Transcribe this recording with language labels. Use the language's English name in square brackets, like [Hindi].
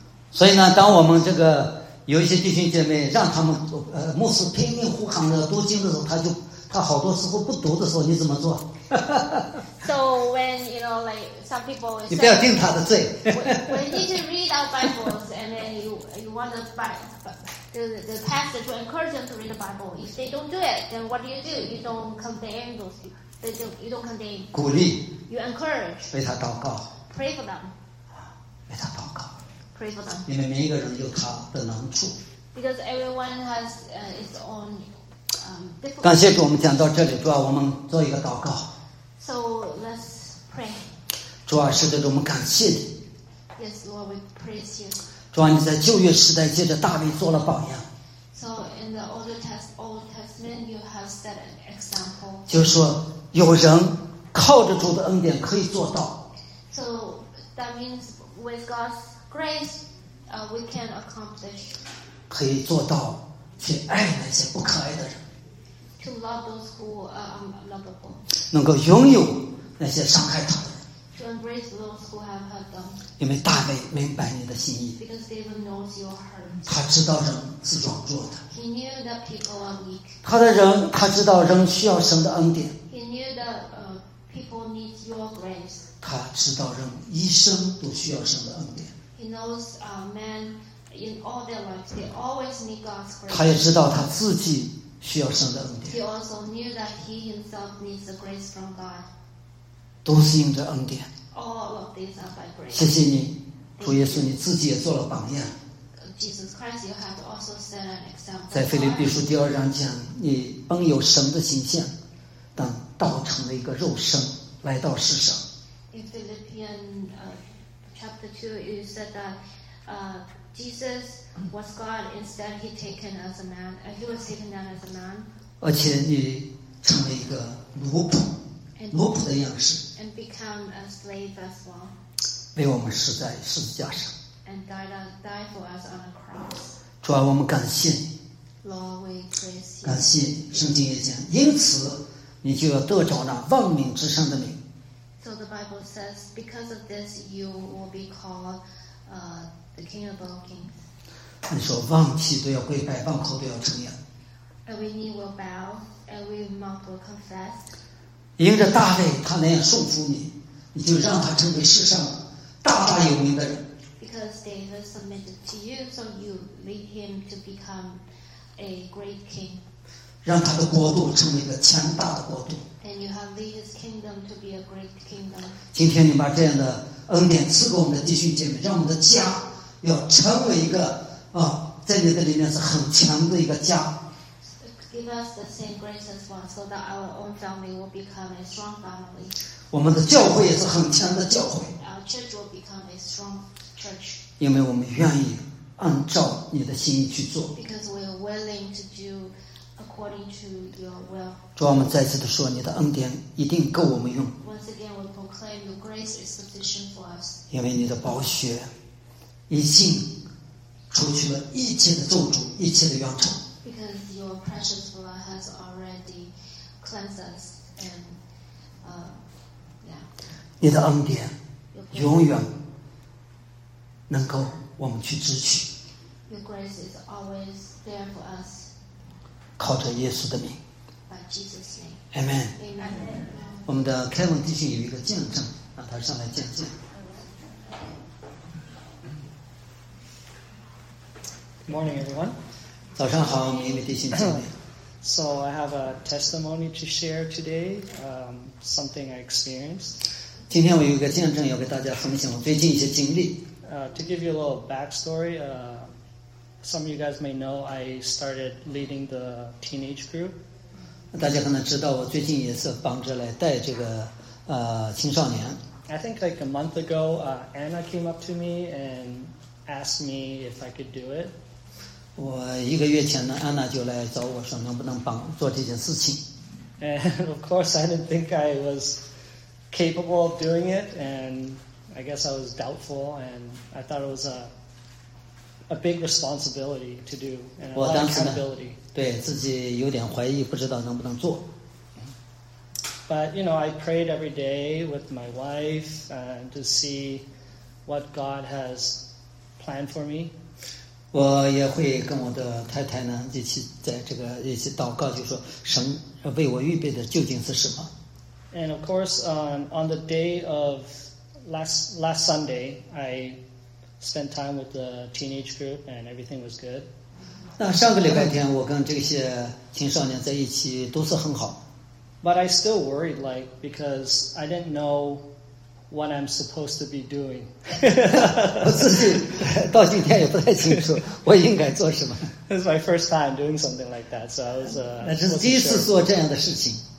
[Chinese] 所以呢，当我们这个有一些弟兄姐妹让他们牧师拼命呼喊着读经的时候，他好多时候不读的时候，你怎么做？ [English] So when you know like some people say, [Chinese] 你不要定他的罪。 [English] When you need to read our Bibles and then you want to find the pastor to encourage them to read the Bible. If they don't do it, then what do? You don't condemn those. You don't condemn. [Chinese] 鼓励。 [English] You encourage. [Chinese] 为他祷告。 [English] Pray for them. [Chinese] 为他祷告。因为每一个人有他的难处。 [English] Because everyone has its own. [Chinese] 感谢主，我们讲到这里，主啊，我们做一个祷告。 [English] So let's pray. [Chinese] 主啊，是的，我们感谢你。 [English] Yes, Lord, we praise you. [Chinese] 主啊，你在旧约时代借着大卫做了榜样。 [English] So in the Old Testament, you have set an example. [Chinese] 就是说，有人靠着主的恩典可以做到。 [English] So that means with God's Grace, we can accomplish. [Chinese] 可以做到去爱那些不可爱的人。 [English] to love those who are unlovable. [Chinese] 能够拥有那些伤害他的。 [English] To embrace those who have hurt them. [Chinese] 因为大卫明白你的心意。 [English] Because David knows your heart. [Chinese] 他知道人是软弱的。 [English] He knew that people are weak. [Chinese] 他的人，他知道人需要神的恩典。 [English] He knew that people need your grace. [Chinese] 他知道人一生都需要神的恩典。 [English] He knows men in all their lives they always need God's grace. [Chinese] 他也知道他自己需要神的恩典。 [English] He also knew that he himself needs the grace from God. [Chinese] 都是因着恩典。 [English] All of these are by grace. [Chinese] 谢谢你，主耶稣，你自己也做了榜样。 [English] Jesus Christ, you have also set an example. [Chinese] 在腓立比书第二章讲，你本有神的形象，但道成了一个肉身，来到世上。 [English] In Philippians chapter 2, you said that Jesus was God, instead he taken as a man, he was taken down as a man. [Chinese] 而且你成了一个奴仆。奴仆的样式 [English] and become a slave as well. [Chinese] 为我们死在十字架上 [English] and died for us on the cross. [Chinese] 主啊我们感谢你 [English] Lord, we praise you. [Chinese] 感谢圣经也讲因此你就要得着那万民之上的名 [English] So the Bible says because of this you will be called the King of all kings. [Chinese] 你说忘记都要跪拜忘口都要称扬 [English] Every knee will bow Every mouth will confess. [Chinese] 因着大卫他那样顺服你你就让他成为世上大大有名的人 [English] because David submitted to you so you made him to become a great king [Chinese] 让他的国度成为一个强大的国度 [English] and you have led his kingdom to be a great kingdom [Chinese] 今天你把这样的恩典赐给我们的弟兄姐妹让我们的家要成为一个在你的里面是很强的一个家 [English] Give us the same grace as one, so that our own family will become a strong family. [Chinese] 我们的教会也是很强的教会。 [English] Our church will become a strong church. [Chinese] 因为我们愿意按照你的心意去做。 [English] Because we are willing to do according to your will. [Chinese] 主啊，我们再次的说，你的恩典一定够我们用。 [English] Once again, we proclaim your grace is sufficient for us. [Chinese] 因为你的宝血已经除去了一切的咒诅，一切的忧愁。 [English] Because your precious blood has already cleansed us, and yeah. [Chinese] 你的恩典永远能够我们去支取。 [English] Your grace is always there for us. [Chinese] 靠着耶稣的名。 [English] By Jesus' name. Amen. Amen. [Chinese] 我们的 Kevin 弟兄有一个见证，让他上来见证。 [English] Good morning, everyone. [Chinese] 早上好，每一位弟兄姐妹。 [English] So I have a testimony to share today, something I experienced. [Chinese] 今天我有一个见证要给大家分享我最近一些经历。 [English] To give you a little backstory, some of you guys may know I started leading the teenage group. [Chinese] 大家可能知道我最近也是帮着来带这个青少年。 [English] I think like a month ago, Anna came up to me and asked me if I could do it. [Chinese] 我一个月前呢，安娜就来找我说，能不能帮做这件事情。 [English] And of course, I didn't think I was capable of doing it, and I guess I was doubtful, and I thought it was a big responsibility to do, and a lot of accountability. [Chinese] 对自己有点怀疑，不知道能不能做。 [English] But you know, I prayed every day with my wife to see what God has planned for me. [Chinese] 我也会跟我的太太呢一起在这个一起祷告，就说神为我预备的究竟是什么。 [English] And of course, on the day of last Sunday, I spent time with the teenage group, and everything was good. [Chinese] 那上个礼拜天，我跟这些青少年在一起都是很好。 [English] But I still worried, like because I didn't know. What I'm supposed to be doing. [Chinese] 我自己到今天也不太清楚我应该做什么。 [English] This is my first time doing something like that, so I was. [Chinese] 那这是第一次做这样的事情。